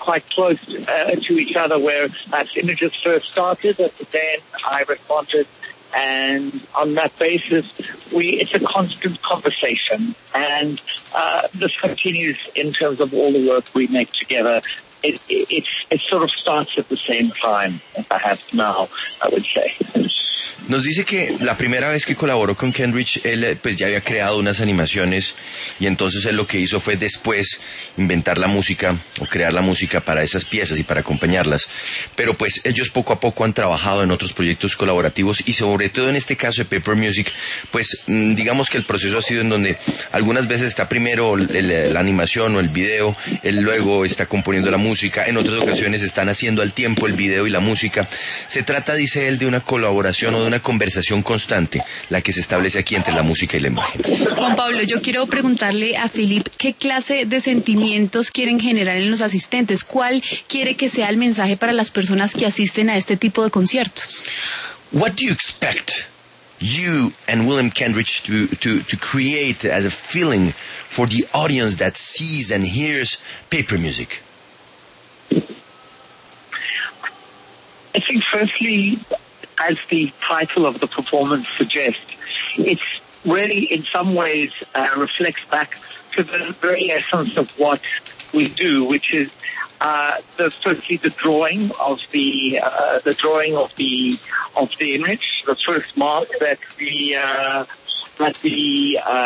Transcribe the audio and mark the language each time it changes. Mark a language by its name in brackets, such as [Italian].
[English] close to each other, where perhaps images first started and then I responded, and on that basis it's a constant conversation, and this continues in terms of all the work we make together it sort of starts at the same time, perhaps now, I would say. [Spanish] Nos dice que la primera vez que colaboró con Kendrick, él pues ya había creado unas animaciones y entonces él lo que hizo fue después inventar la música o crear la música para esas piezas y para acompañarlas. Pero pues ellos poco a poco han trabajado en otros proyectos colaborativos y sobre todo en este caso de Paper Music, pues digamos que el proceso ha sido en donde algunas veces está primero la animación o el video, él luego está componiendo la música, en otras ocasiones están haciendo al tiempo el video y la música. Se trata, dice él, de una colaboración de una conversación constante, la que se establece aquí entre la música y la imagen. Juan Pablo, yo quiero preguntarle a Philip qué clase de sentimientos quieren generar en los asistentes, cuál quiere que sea el mensaje para las personas que asisten a este tipo de conciertos. [English] What do you expect you and William Kendrick to create as a feeling for the audience that sees and hears Paper Music? I think firstly, as the title of the performance suggests, it's really in some ways reflects back to the very essence of what we do, which is the drawing of the image, the first mark that the